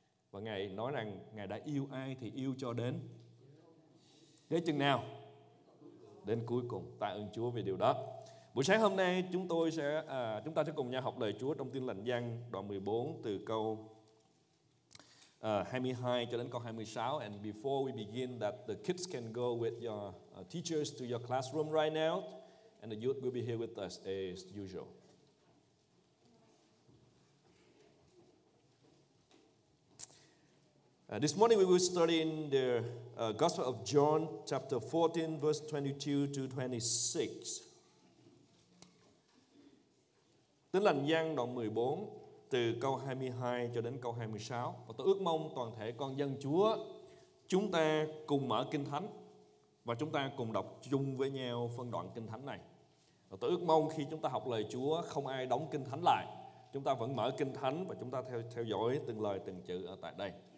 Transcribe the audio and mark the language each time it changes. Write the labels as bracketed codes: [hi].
[vi] Và Ngài nói rằng Ngài đã yêu ai thì yêu cho đến thế chừng nào? Đến cuối cùng. Tạ ơn Chúa vì điều đó. Buổi sáng hôm nay chúng ta sẽ cùng nhau học lời Chúa trong Tin Lành Giăng đoạn 14 từ câu 22 cho đến câu 26. [en] And before we begin that, the kids can go with your teachers to your classroom right now, and the youth will be here with us as usual. This morning we will study in the Gospel of John chapter 14 verse 22 to 26. [vi] Tin Lành Giăng đoạn 14 từ câu 22 cho đến câu 26. Và tôi ước mong toàn thể con dân Chúa chúng ta cùng mở Kinh Thánh và chúng ta cùng đọc chung với nhau phân đoạn Kinh Thánh này. Và tôi ước mong khi chúng ta học lời Chúa không ai đóng Kinh Thánh lại. Chúng ta vẫn mở Kinh Thánh và chúng ta theo dõi từng lời từng chữ ở tại đây.